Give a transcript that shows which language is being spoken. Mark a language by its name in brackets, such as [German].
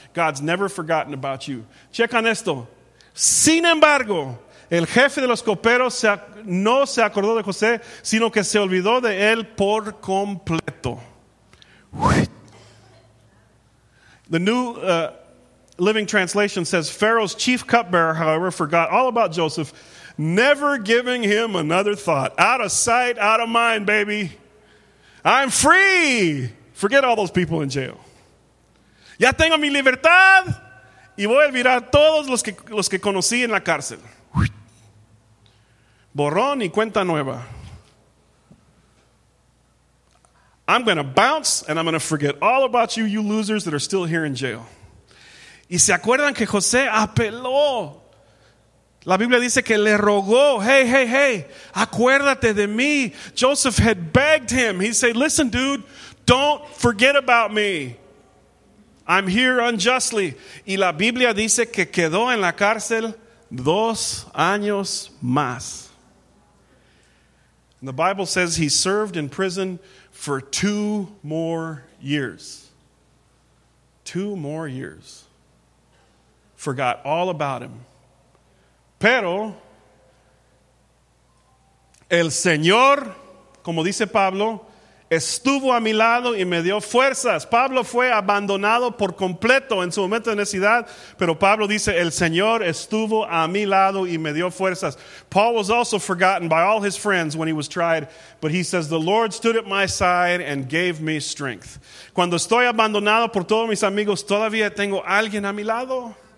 [English] God's never forgotten about you. Check on esto. [Spanish] Sin embargo, el jefe de los coperos no se acordó de José, sino que se olvidó de él por completo. [English] The New Living Translation says, Pharaoh's chief cupbearer, however, forgot all about Joseph, never giving him another thought. Out of sight, out of mind, baby. I'm free. Forget all those people in jail. [Spanish] Ya tengo mi libertad. Y voy a olvidar todos los que conocí en la cárcel. Borrón y cuenta nueva. [English] I'm going to bounce and I'm going to forget all about you, you losers that are still here in jail. [Spanish] Y se acuerdan que José apeló. La Biblia dice que le rogó. Hey, hey, hey, acuérdate de mí. [English] Joseph had begged him. He said, listen, dude, don't forget about me. I'm here unjustly. [Spanish] Y la Biblia dice que quedó en la cárcel 2 años más. [English] And the Bible says he served in prison for 2 more years. 2 more years. Forgot all about him. [Spanish] Pero el Señor, como dice Pablo, estuvo a mi lado y me dio fuerzas. Pablo fue abandonado por completo en su momento de necesidad, pero Pablo dice, el Señor estuvo a mi lado y me dio fuerzas. [English] Paul was also forgotten by all his friends when he was tried, but he says, the Lord stood at my side and gave me strength. [Spanish] Cuando estoy abandonado por todos mis amigos, todavía tengo alguien a mi lado.